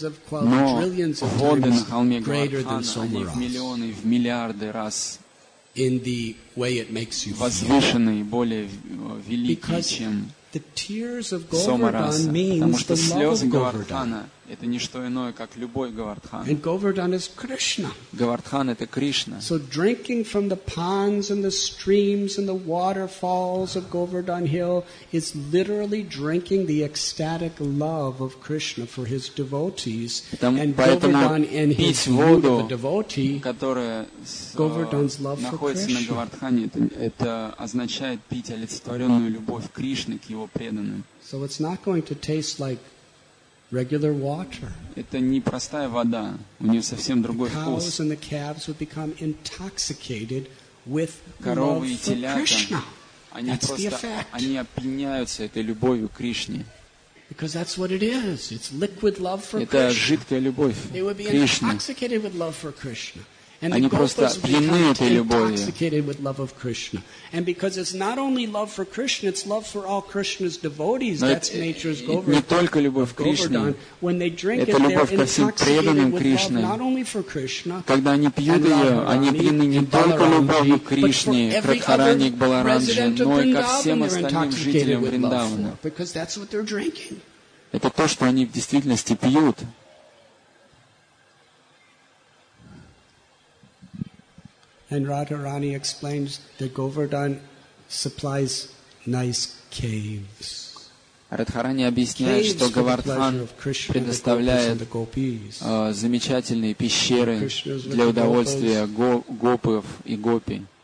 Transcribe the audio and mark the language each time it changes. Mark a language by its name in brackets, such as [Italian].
[Russian] Но воды на холме Гвардхан, они в миллионы, в миллиарды раз возвышены и более велики, чем Сомараса. Потому что слезы Гвардхана это не что иное, как любой Говардхан. [English] And Govardhan is Krishna. [Russian] Говардхан это Кришна. [English] So drinking from the ponds and the streams and the waterfalls of Govardhan Hill is literally drinking the ecstatic love of Krishna for his devotees. And Govardhan in his root of a devotee, Govardhan's love for Krishna. [Russian] Находится на Говардхане, это означает пить олицетворенную любовь Кришны к его преданным. [English] So it's not going to taste like regular water. [Russian] Это не простая вода. У нее совсем другой вкус. [English] The cows and the calves would become intoxicated with love. [Russian] Коровы и телята, они [English] that's [Russian] просто, они опьяняются этой любовью к Кришне. [English] Because that's what it is. It's liquid love for [Russian] Krishna. Это жидкая любовь. [English] They would be intoxicated with love for Krishna. [Russian] Они просто опьянены этой любовью. [English] Intoxicated with love of Krishna. And because it's not only love for Krishna, it's love for all Krishna's devotees. That's nature's Govardhan. [Russian] Не только любовь к Кришне. [English] When they drink [Russian] это любовь ко всем преданным Кришне. Когда они пьют ее, они пьяны не только любовью к Кришне, к Радхарани, к Баларанджи, но и ко всем остальным жителям Вриндавана. [English] Because that's what they're drinking. [Russian] Это то, что они в действительности пьют. [English] And Radharani explains that Govardhan supplies nice caves. [Russian] Радхарани объясняет, что Говардхан предоставляет замечательные пещеры для удовольствия гопов и гопи.